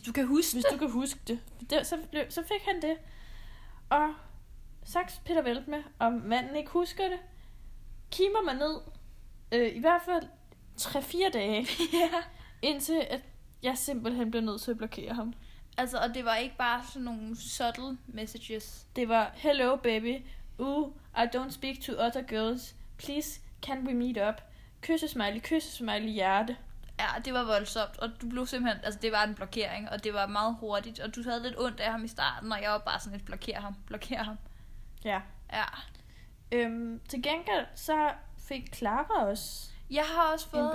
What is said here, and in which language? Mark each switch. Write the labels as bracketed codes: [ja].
[da] du kan huske det. Så fik han det. Og sagt Peter Velt med, om manden ikke husker det, kimer mig ned, i hvert fald 3-4 dage, indtil at jeg simpelthen blev nødt til at blokere ham. Altså, og det var ikke bare sådan nogle [en] subtle messages? [da] Det var, [en] hello baby, I don't speak to other girls, please, can we meet up? [da] Kysse smiley hjerte. Ja, det var voldsomt, og du blev simpelthen, altså det var en blokering, og det var meget hurtigt, og du havde lidt ondt af ham i starten, og jeg var bare sådan lidt, blokere ham. Ja. Ja. Til gengæld, så fik Clara også, jeg har også fået,